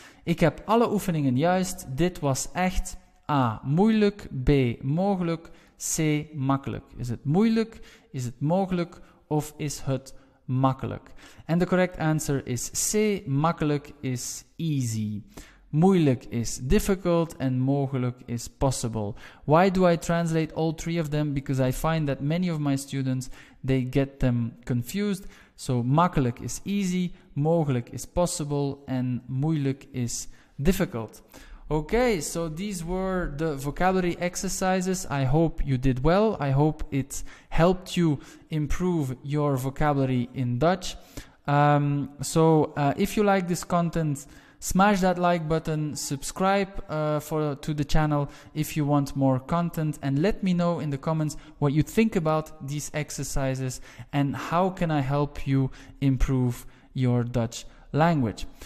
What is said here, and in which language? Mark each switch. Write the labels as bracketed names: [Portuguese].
[Dutch] Ik heb alle oefeningen juist, dit was echt A, moeilijk, B, mogelijk, C, makkelijk. Is het moeilijk, is het mogelijk of is het makkelijk? [English] En de correct answer is C, makkelijk is easy. Moeilijk is difficult en mogelijk is possible. Why do I translate all three of them? Because I find that many of my students, they get them confused. So makkelijk is easy, mogelijk is possible en moeilijk is difficult. Okay, so these were the vocabulary exercises. I hope you did well. I hope it helped you improve your vocabulary in Dutch. If you like this content, smash that like button, subscribe to the channel if you want more content, and let me know in the comments what you think about these exercises and how can I help you improve your Dutch language.